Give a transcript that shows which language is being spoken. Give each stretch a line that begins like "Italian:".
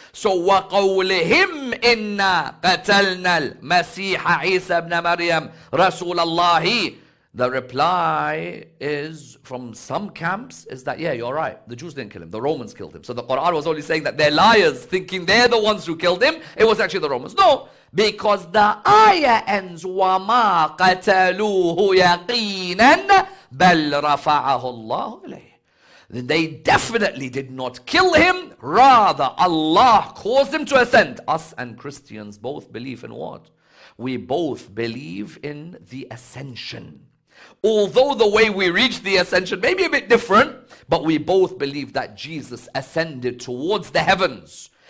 Arabic: So وَقَوْلِهِمْ إِنَّا قَتَلْنَا الْمَسِيحَ عِيسَى بْنَ مَرْيَمْ رَسُولَ اللَّهِ.
English: The reply is, from some camps, is that, yeah, you're right. The Jews didn't kill him. The Romans killed him. So the Quran was only saying that they're liars, thinking they're the ones who killed him. It was actually the Romans. No, because the ayah ends,
Arabic: وَمَا قَتَلُوهُ يَقِينًا بَلْ رَفَعَهُ اللَّهُ إِلَيْهِ.
English: They definitely did not kill him. Rather, Allah caused him to ascend. Us and Christians both believe in what? We both believe in the ascension. Although the way we reach the ascension may be a bit different, but we both believe that Jesus ascended towards the heavens.